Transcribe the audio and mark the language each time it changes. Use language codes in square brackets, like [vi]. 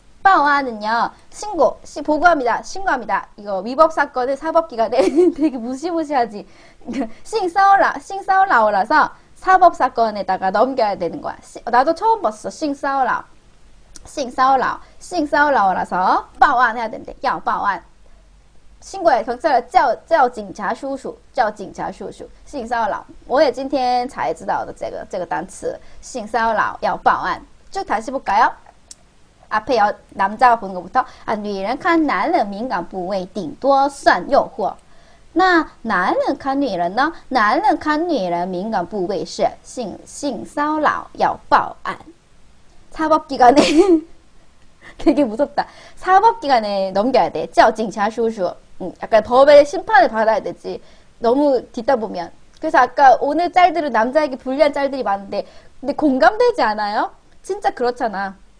[ko] 报案은요, 신고, 보고합니다. 신고합니다. 이거 위법 사건의 사법기관에 되게 무시무시하지. 性骚扰라서 사법 사건에다가 넘겨야 되는 거야. 나도 처음 봤어. 性骚扰라서 报案 해야 된대. [zh] 要 报案. [ko] 신고해, 경찰에 [zh] 叫警察叔叔，叫警察叔叔，性骚扰。我也今天才知道的这个单词，性骚扰要报案。 [ko] 就다시볼까요？ 앞에여남자가보는것부터 [zh] 啊，女人看男人敏感部位，顶多算诱惑。那男人看女人呢？男人看女人敏感部位是性骚扰要报案。 [ko] 사법기관에 되게 무섭다。사법기관에 넘겨야 돼， [zh] 叫警察叔叔。 [ko] 약간 법의 심판을 받아야 되지. 너무 뒤따 보면. 그래서 아까 오늘 짤들은 남자에게 불리한 짤들이 많은데, 근데 공감되지 않아요? 진짜 그렇잖아.